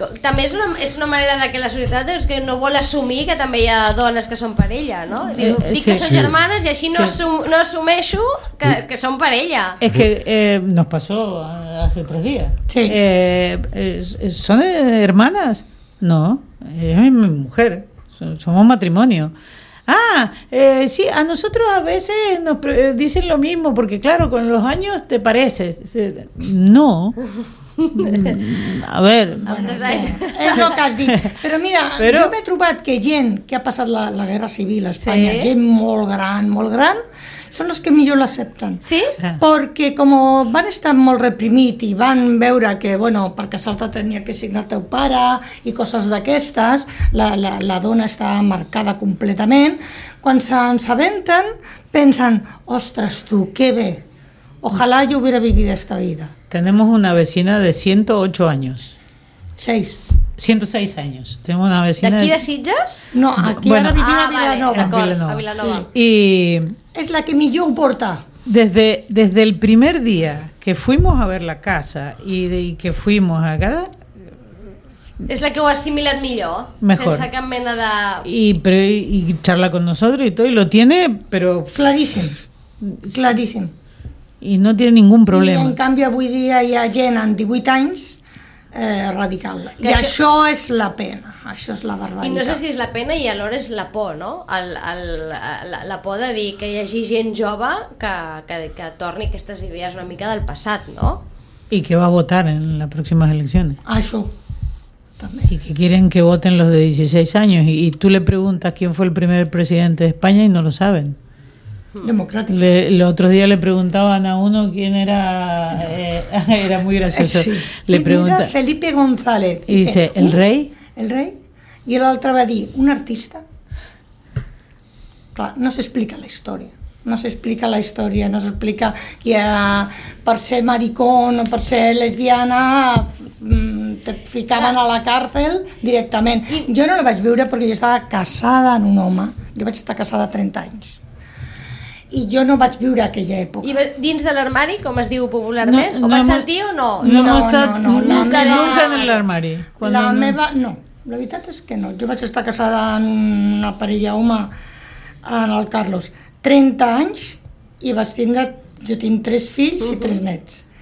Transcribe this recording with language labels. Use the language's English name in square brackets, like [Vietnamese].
[Catalan] També és una manera de que la societat és que no vol assumir que també hi ha dones que són parella, no? Dic que són germanes i així no, no assumeixo que són parella. [Spanish] És que nos pasó hace tres días. Sí. ¿Son hermanas? No, es mi mujer. Somos matrimonio. Ah, sí, a nosotros a veces nos dicen lo mismo, porque claro, con los años te pareces. No. A ver, [Catalan] és el que has dit. Però mira, jo m'he trobat que gent que ha passat la guerra civil a Espanya, sí, gent molt gran, molt gran, són els que millor l'accepten. Sí? Perquè com van estar molt reprimits i van veure que, bueno, per casar-te tenia que signar el teu pare i coses d'aquestes, la dona està marcada completament, quan s'assabenten pensen, ostres tu, que bé, [Spanish] ojalá yo hubiera vivido esta vida. Tenemos una vecina de 108 años. 6. 106 años. Tengo una vecina. ¿De aquí de Sitges? No, aquí bueno, a Vilanova. Vale, Vilanova. A Vilanova. Sí. Y [Catalan] es la que millor porta. [Spanish] Desde el primer día que fuimos a ver la casa y que fuimos a casa. [Catalan] Es la que ho ha assimilat millor. [Spanish] Mejor. [Catalan] Sense cap mena de... [Spanish] Y charla con nosotros y todo. Y lo tiene, pero... [Catalan] Claríssim. I no té ningun problema. I en canvi avui dia hi ha gent amb 18 anys radical. Que i això és la pena, això és la barbaritat. I no sé si és la pena i alhora és la por, no? La por de dir que hi hagi gent jove que torni aquestes idees una mica del passat, no? I que va a votar en les pròximes eleccions. Això. [Spanish] Y que quieren que voten los de 16 años y tú le preguntas quién fue el primer presidente de España y no lo saben. Democrático. El otro día le preguntaban a uno quién era. Era muy gracioso. Sí. Le pregunta, Felipe González. Y dice: ¿el rey? El rey. Y el otro va a decir: ¿un artista? Claro, no se explica la historia. No se explica la historia. No se explica que por ser maricón o por ser lesbiana te ficaban a la cárcel directamente. Yo no lo [Catalan] vaig veure [Spanish] porque yo estaba casada en [Catalan] un home. [Spanish] Yo [Catalan] vaig estar [Spanish] casada 30 años. [Catalan] I jo no vaig viure aquella època. I dins de l'armari, com es diu popularment? No, o vas sentir o no? [Spanish] Nunca en l'armari. [Catalan] No, la veritat és que no. Jo vaig estar casada en una parella home, en el Carlos, 30 anys, i vaig tindre, jo tinc 3 fills i 3 nets.